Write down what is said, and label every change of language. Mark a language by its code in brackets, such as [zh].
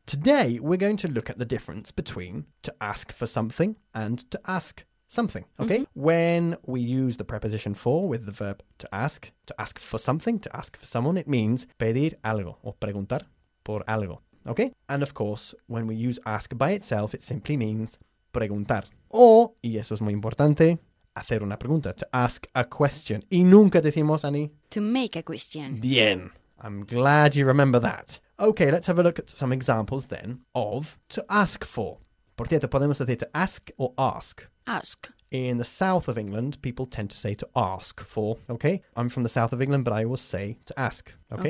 [en] Today, we're going to look at the difference between to ask for something and to ask something, okay? Mm-hmm. When we use the preposition for with the verb to ask for something, to ask for someone, it means [es] pedir algo o preguntar por algo, [en] okay? And of course, when we use ask by itself, it simply means preguntar. [es] O, y eso es muy importante, hacer una pregunta, [en] to ask a question. [es] Y nunca decimos, Ani, [en] to make a question. Bien. I'm glad you remember that. Okay, let's have a look at some examples then of to ask for. [es] Por cierto, podemos decir [en] to ask or ask. Ask. In the south of England, people tend to say to ask for, okay? I'm from the south of England, but I will say to ask, okay?